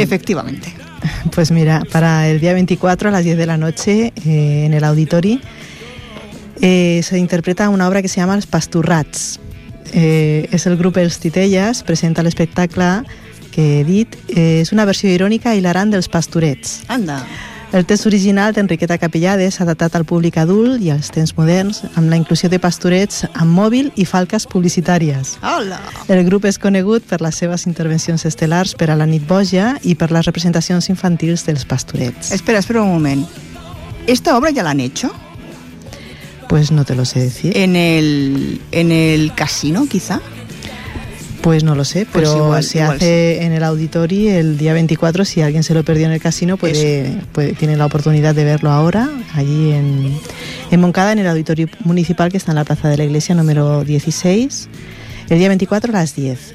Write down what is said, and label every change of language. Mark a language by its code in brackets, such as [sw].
[es] Efectivamente. Pues mira, para el día 24 a las 10 de la noche en el Auditori se interpreta una obra que se llama Els Pasturrats. Es el grupo Els Titelles, presenta el espectáculo [ca] que he dit. [es] Es una versión irónica y [ca] hilarant dels [es] Pasturets. Anda. [ca] El text original d'Enriqueta Capellades s'ha adaptat al públic adult i als temps moderns amb la inclusió de pasturets amb mòbil i falques publicitàries. [es] Hola. [ca] El grup és conegut per les seves intervencions estel·lars per a la nit boja i per les representacions infantils dels pasturets. [es] Espera, espera un moment. ¿Esta obra ya la han hecho? Pues no te lo sé decir. ¿En el casino, quizá? Pues no lo sé, pero pues igual, se hace sí. En el Auditori el día 24. Si alguien se lo perdió en el casino, tiene la oportunidad de verlo ahora, allí en Montcada, en el Auditori Municipal, que está en la Plaza de la Iglesia número 16, el día 24 a las 10.